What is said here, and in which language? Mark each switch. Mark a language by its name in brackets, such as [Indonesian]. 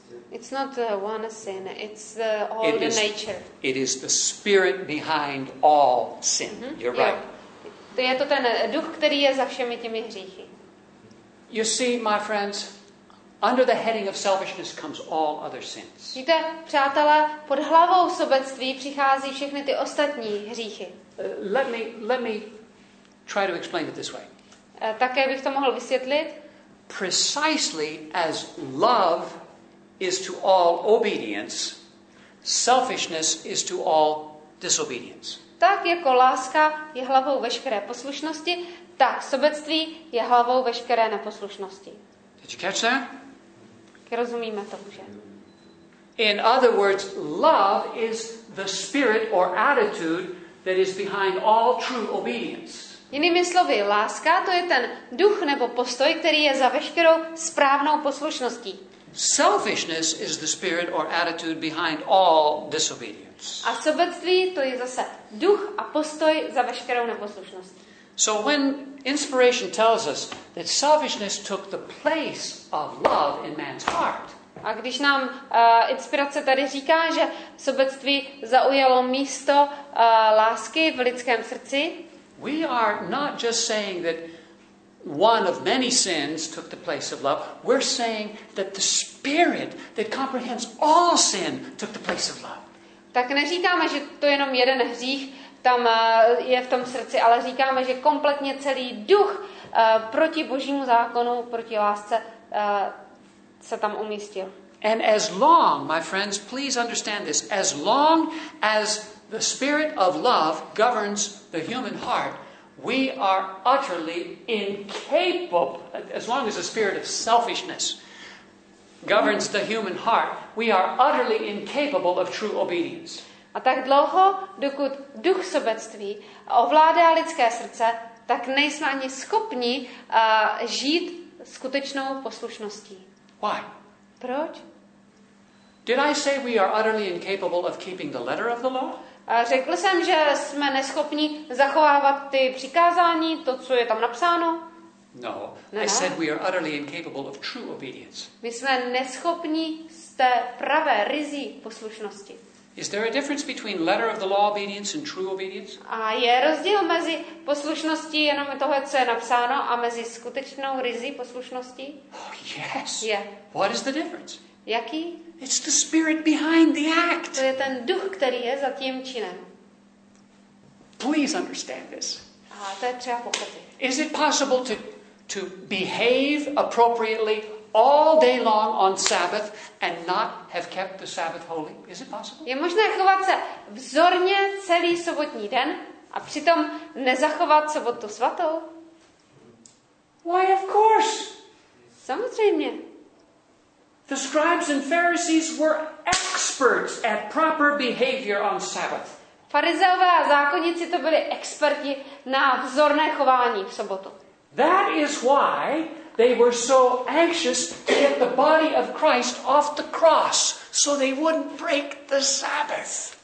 [English] It's not one sin, it's all it the is, nature. It is the spirit behind all sin. Mm-hmm. You're right. [Czech] To je to ten duch, který je za všemi těmi hříchy. [English] You see, my friends, under the heading of selfishness comes all other sins. [Czech] Víte, přátelé, pod hlavou sobectví přichází všechny ty ostatní hříchy. [English] Let me try to explain it this way. [Czech] Také bych to mohl vysvětlit. [English] Precisely as love is to all obedience, selfishness is to all disobedience. [Czech] Tak jako láska je hlavou veškeré poslušnosti, tak sobectví je hlavou veškeré neposlušnosti. [English] Did you catch that? [Czech] Rozumíme tomu, že? [English] In other words, love is the spirit or attitude that is behind all true obedience. [Czech] Jinými slovy, láska to je ten duch nebo postoj, který je za veškerou správnou poslušností. [English] Selfishness is the spirit or attitude behind all disobedience. [Czech] A sobectví to je zase duch a postoj za veškerou neposlušností. [English] So when inspiration tells us that selfishness took the place of love in man's heart. [Czech] A když nám inspirace tady říká, že sobectví zaujalo místo lásky v lidském srdci. [English] We are not just saying that one of many sins took the place of love. We're saying that the spirit that comprehends all sin took the place of love. [Czech] Tak neříkáme, že to je jenom jeden hřích tam je v tom srdci, ale říkáme, že kompletně celý duch proti Božímu zákonu, proti lásce se tam umístil. [English] And as long, my friends, please understand this, as long as the spirit of love governs the human heart, we are utterly incapable, as long as the spirit of selfishness governs the human heart, we are utterly incapable of true obedience. [Czech] A tak dlouho, dokud duch sobectví ovládá lidské srdce, tak nejsme ani schopni žít skutečnou poslušností. [English] Why? [Czech] Proč? [English] Did I say we are utterly incapable of keeping the letter of the law? [Czech] A řekl jsem, že jsme neschopni zachovávat ty přikázání, to, co je tam napsáno? [English] No. I said we are utterly incapable of true obedience. [Czech] My jsme neschopni z té pravé, ryzí poslušnosti. [English] Is there a difference between letter of the law obedience and true obedience? [Czech] A je rozdíl mezi poslušností jenom toho, co je napsáno, a mezi skutečnou ryzí poslušností? [English] Oh, yes. [Czech] Je. [English] What is the difference? [Czech] Jaký? [English] It's the spirit behind the act. [Czech] To je ten duch, který je za tím činem. [English] Please understand this. [Czech] A to je třeba pochopit. [English] Is it possible to behave appropriately all day long on Sabbath and not have kept the Sabbath holy? Is it possible? [Czech] Je možné chovat se vzorně celý sobotní den a přitom nezachovat sobotu svatou? [English] Why, of course. [Czech] Samozřejmě. [English] The scribes and Pharisees were experts at proper behavior on Sabbath. [Czech] Farizeové a zákonníci to byli experti na vzorné chování v sobotu. [English] That is why they were so anxious to get the body of Christ off the cross so they wouldn't break the Sabbath.